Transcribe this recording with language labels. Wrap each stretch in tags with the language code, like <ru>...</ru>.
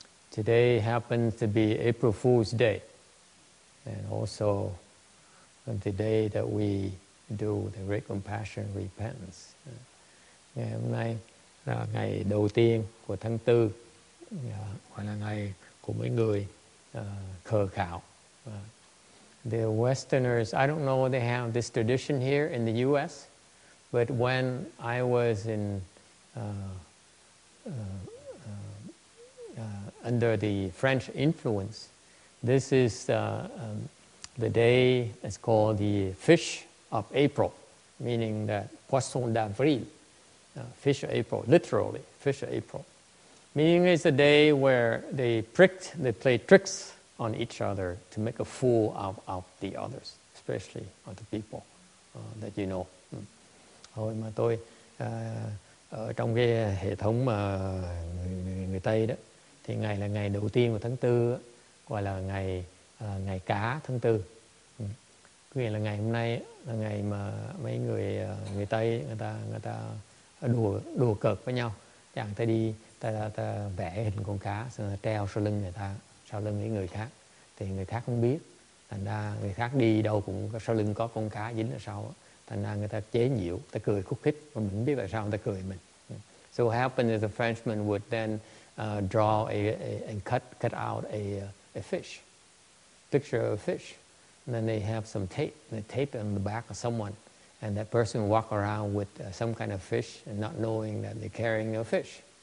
<en>Today happens to be April Fool's Day, and also the day that we do the Great Compassion Repentance.</en> <vi>Ngày hôm nay là ngày đầu tiên của tháng Tư, gọi là ngày của mấy người khờ khạo.</vi> <en>The Westerners, I don't know if they have this tradition here in the U.S., but when I was in under the French influence, this is the day is called the Fish of April, meaning that Poisson d'Avril, Fish of April, literally Fish of April, meaning it's a day where they play tricks on each other to make a fool of the others, especially of the people that you know.</en> <vi>Hồi mà tôi ở trong cái hệ thống mà người Tây đó, thì ngày là ngày đầu tiên của tháng Tư, gọi là ngày ngày cá tháng Tư. Có nghĩa là ngày hôm nay là ngày mà mấy người người Tây người ta đùa cợt với nhau. Chẳng thấy đi ta vẽ hình con cá, xong treo sau lưng người ta. Sau lưng với người khác thì người khác không biết, thành ra người khác đi đâu cũng sau lưng có con cá dính ở sau, thành ra người ta chế nhiễu, ta cười khúc khích, mà mình biết tại sao người ta cười mình.</vi> <en>So what happened is the Frenchman would then draw and cut out a fish, picture of a fish, and then they have some tape, and they tape it on the back of someone, and that person would walk around with some kind of fish and not knowing that they're carrying a fish.</en>